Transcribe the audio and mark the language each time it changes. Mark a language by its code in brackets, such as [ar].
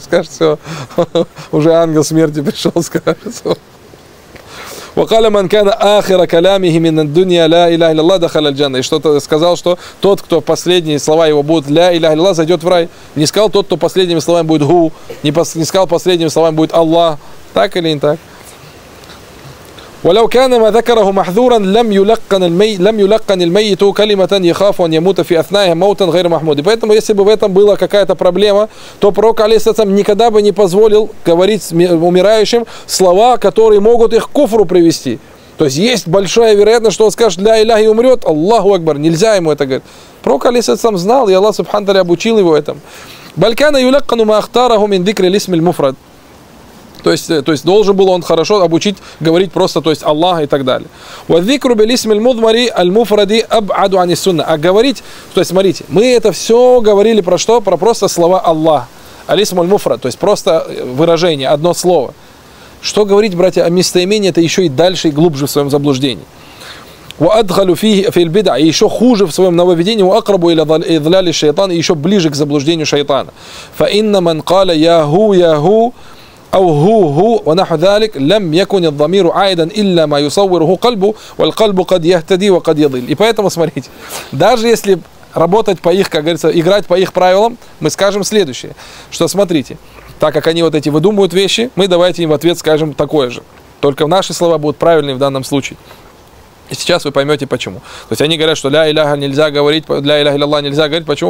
[ru] Скажет, все, уже ангел смерти пришел, скажет. [ar] وَقَالَ مَنْ كَانَ آخِرَ كَلَامِهِ مِنَ الدُّنْيَا لَا إِلَهِ لَلَّهِ دَخَلَ الْجَنَّةِ. [ru] И что-то сказал, что тот, кто последние слова его будут «Ля إِلَهِ لَلَّهِ» зайдет в рай. Не сказал тот, кто последними словами будет «Ху», не сказал последними словами будет «Аллах». Так или не так? [ar] ولو كان ما ذكره محذورا لم يلقن الميت لم يلقن الميت كلمة يخاف أن يموت في أثنائها موتا غير محمود. [ru] Поэтому если бы в этом была какая-то проблема, то пророк алейхиссалям никогда бы не позволил говорить умирающим слова, которые могут их к куфру привести. То есть есть большая вероятность, что он скажет ля илях и умрет. Аллаху акбар, нельзя ему это говорить. Пророк алейхиссалям знал, и Аллах субхана тааля обучил его этому. [ar] بل كان يلقن ما اختاره من ذكر الاسم المفرد. [ru] То есть должен был он хорошо обучить говорить просто, то есть Аллах и так далее. [ar] Вот ذكر بالاسم المضمري المفردي ابعد عن السنه. [ru] А говорить, то есть смотрите, мы это все говорили про что? Про просто слова Аллах. Алисму аль-муфрад, то есть просто выражение, одно слово. Что говорить, братья, о местоимении, это еще и дальше и глубже в своем заблуждении. [ar] وادخل فيه في البدع ايشو [ru] хуже в своём нововведении [ar] واقرب الى اضلال الشيطان ايشو [ru] ближе к заблуждению шайтана. [ar] فان من قال يا هو أو هو ونحو ذلك لم يكن الضمير عائدا إلا ما يصوره قلبه والقلب قد يهتدي وقد يضل. [ru] И поэтому смотрите, даже если работать по их, как говорится, играть по их правилам, мы скажем следующее, что смотрите, так как они вот эти выдумывают вещи, мы давайте им в ответ скажем такое же. Только наши слова будут правильные в данном случае. И сейчас вы поймете почему. То есть они говорят, что ля иляха нельзя говорить, ля иляха илляллах нельзя говорить, почему?